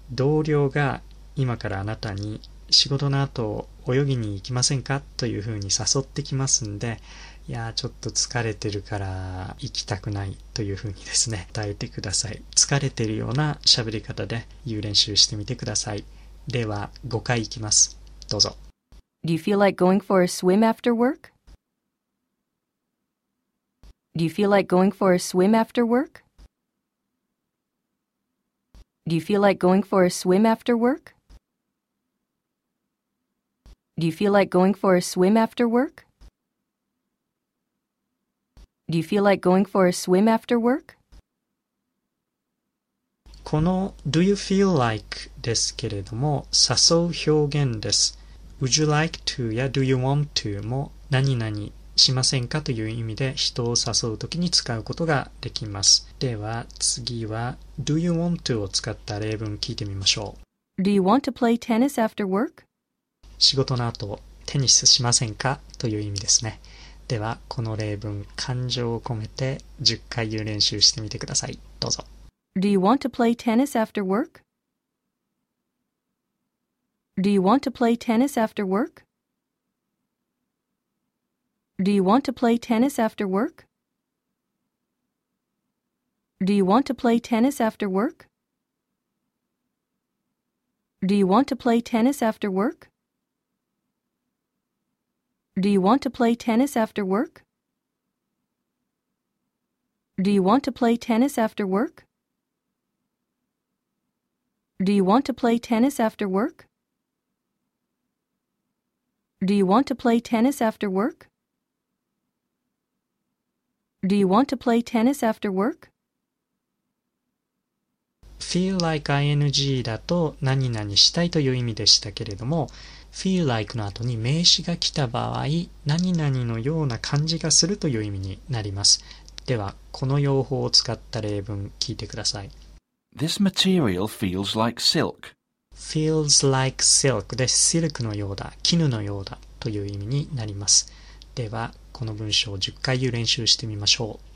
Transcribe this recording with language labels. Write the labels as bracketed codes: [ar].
[ja] 同僚が今からあなたに仕事の後泳ぎに行きませんかというふうに誘ってきますんで、いやちょっと疲れてるから行きたくないというふうにですね、答えてください。疲れてるような喋り方で言う練習してみてください。では5回行きます。どうぞ。 [en] Do you feel like going for a swim after work? Do you feel like going for a swim after work? Do you feel like going for a swim after work? Do you feel like going for a swim after work? Do you feel like going for a swim after work? [ja] この [en] Do you feel like [ja] ですけれども、誘う表現です。 [en] Would you like to [ja] や [en] Do you want to [ja] も何々しませんかという意味で人を誘うときに使うことができます。では次は [en] Do you want to [ja] を使った例文聞いてみましょう。 [en] Do you want to play tennis after work? [ja] 仕事の後テニスしませんかという意味ですね。ではこの例文感情を込めて10回言う練習してみてください。どうぞ。 [en] Do you want to play tennis after work? Do you want to play tennis after work? Do you want to play tennis after work? Do you want to play tennis after work? Do you want to play tennis after work? Do you want to play tennis after work? Do you want to play tennis after work? Do you want to play tennis after work? Do you want to play tennis after work? Do you want to play tennis after work? Feel like ing [ja] だと何々したいという意味でしたけれども、 feel like の後に名詞が来た場合、何々のような感じがするという意味になります。ではこの用法を使った例文聞いてください。 [en] This material feels like silk. Feels like silk [ja] で、シルクのようだ、絹のようだという意味になります。ではこの文章を10回言う練習してみましょう。